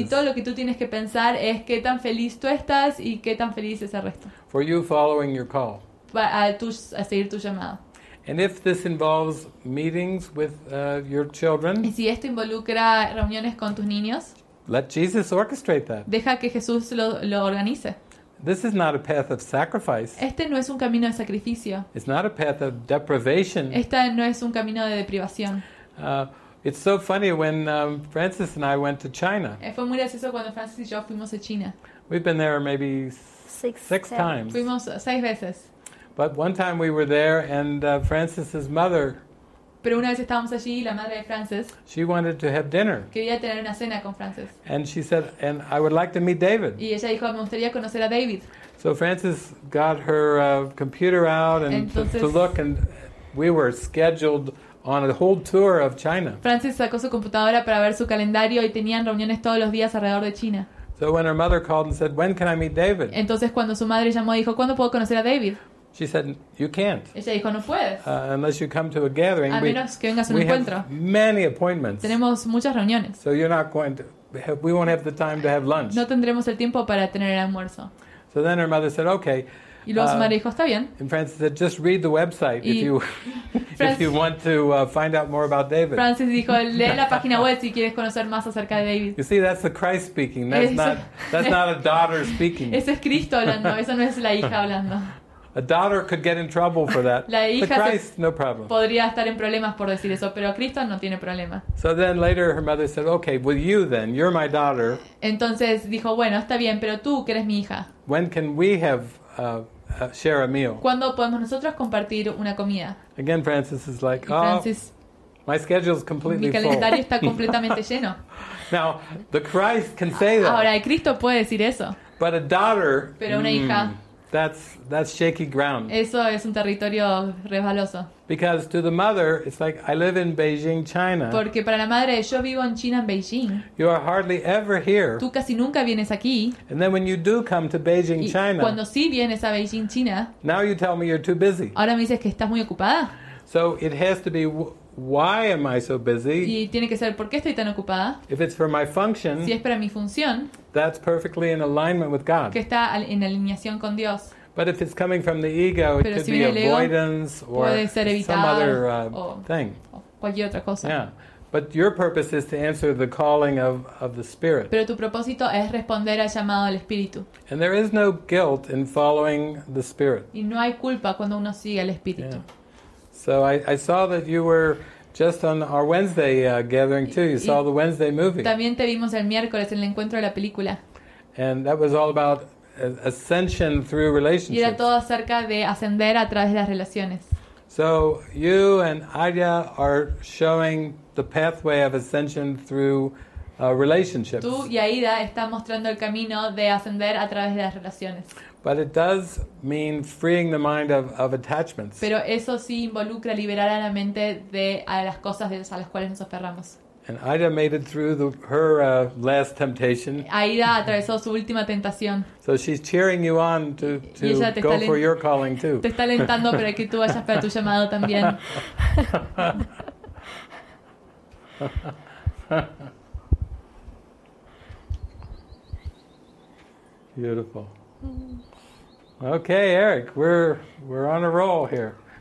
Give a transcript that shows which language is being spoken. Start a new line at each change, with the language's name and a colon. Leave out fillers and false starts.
Spanish: Y todo lo que tú tienes que pensar es qué tan feliz tú estás y qué tan feliz es el resto.
English: For you following your call.
Spanish: A seguir tu llamado.
English: And if this involves meetings with your children,
Spanish: y si esto involucra reuniones con tus niños,
English: let Jesus orchestrate that.
Spanish: Deja que Jesús lo organice.
English: This is not a path of sacrifice.
Spanish: Este no es un camino de sacrificio.
English: It's not a path of deprivation.
Spanish: Este no es un camino de deprivación.
English: It's so funny when Francis and I went to China.
Spanish: Fue muy gracioso cuando Francis y yo fuimos a China.
English: We've been there maybe six times.
Spanish: Fuimos seis veces.
English: But one time we were there and Francis's mother.
Spanish: Pero una vez estábamos allí y la madre de Francis.
English: She wanted to have dinner.
Spanish: Quería tener una cena con Francis.
English: And she said, "And I would like to meet David."
Spanish: Y ella dijo, "Me gustaría conocer a David."
English: So Francis got her computer out and
Spanish: entonces,
English: to look, and we were scheduled on a whole tour of China.
Spanish: Francis sacó su computadora para ver su calendario y tenían reuniones todos los días alrededor de China.
English: So when her mother called and said, "When can I meet David?"
Spanish: Entonces cuando su madre llamó dijo, "¿Cuándo puedo conocer a David?"
English: She said, "You can't."
Spanish: Ella dijo, no puedes.
English: Unless you come to a gathering,
Spanish: a menos que vengas a un encuentro.
English: We have many appointments.
Spanish: Tenemos muchas reuniones.
English: So you're not going to. We won't have the time to have lunch.
Spanish: No tendremos el tiempo para tener el almuerzo.
English: So then her mother said, "Okay."
Spanish: Y luego su madre dijo, está bien.
English: And Francis said, "Just read the website if you want to find out more about David."
Spanish: Francis dijo, lee la página web si quieres conocer más acerca de David.
English: You see, that's the Christ speaking. That's not a daughter speaking.
Spanish: Ese es Cristo hablando. Esa no es la hija hablando.
English: A daughter could get in trouble for that.
Spanish: La hija
English: but Christ, no problem.
Spanish: Podría estar en problemas por decir eso, pero Cristo no tiene problema.
English: So then later her mother said, "Okay, with you then, you're my daughter."
Spanish: Entonces dijo, bueno, está bien, pero tú que eres mi hija.
English: When can we have share a meal?
Spanish: ¿Cuándo podemos nosotros compartir una comida?
English: Again, Francis is like,
Spanish: y Francis,
English: my schedule is completely full.
Spanish: Mi calendario está completamente lleno.
English: Now the Christ can say that.
Spanish: Ahora el Cristo puede decir eso.
English: But a daughter.
Spanish: Pero una hija.
English: That's shaky ground.
Spanish: Eso es un territorio resbaloso.
English: Because to the mother, it's like I live in Beijing, China.
Spanish: Porque para la madre, yo vivo en China, en Beijing.
English: You are hardly ever here.
Spanish: Tú casi nunca vienes aquí.
English: And then when you do come to Beijing, China.
Spanish: Y cuando sí vienes a Beijing, China.
English: Now you tell me you're too busy.
Spanish: Ahora me dices que estás muy ocupada.
English: So it has to be why am I so busy?
Spanish: Y tiene que ser, ¿por qué estoy tan ocupada?
English: If it's for my function,
Spanish: si es para mi función,
English: that's perfectly in alignment with God.
Spanish: Que está en alineación con Dios.
English: But if it's coming from the ego, it
Spanish: pero
English: could
Spanish: si
English: be avoidance
Spanish: ego, puede ser evitada,
English: or some other
Spanish: o,
English: thing.
Spanish: O cualquier otra cosa.
English: Yeah. But your purpose is to answer the calling of the Spirit.
Spanish: Pero tu propósito es responder al llamado del Espíritu.
English: And there is no guilt in following the Spirit.
Spanish: Y no hay culpa cuando uno sigue al Espíritu.
English: Yeah. So I saw that you were just on our Wednesday gathering too. You saw the Wednesday movie.
Spanish: También te vimos el miércoles en el encuentro de la película.
English: And that was all about ascension through relationships.
Spanish: Y era todo acerca de ascender a través de las relaciones.
English: So you and Arya are showing the pathway of ascension through relationships.
Spanish: Tú y Aida están mostrando el camino de ascender a través de las relaciones.
English: But it does mean freeing the mind of attachments.
Spanish: Pero eso sí involucra liberar a la mente de a las cosas a las cuales nos aferramos.
English: And Aida made it through her last temptation.
Spanish: Aida atravesó su última tentación.
English: So she's cheering you on to go for your calling too.
Spanish: Te está alentando para que tú vayas para tu llamado también.
English: Beautiful. Okay, Eric, we're on a roll here.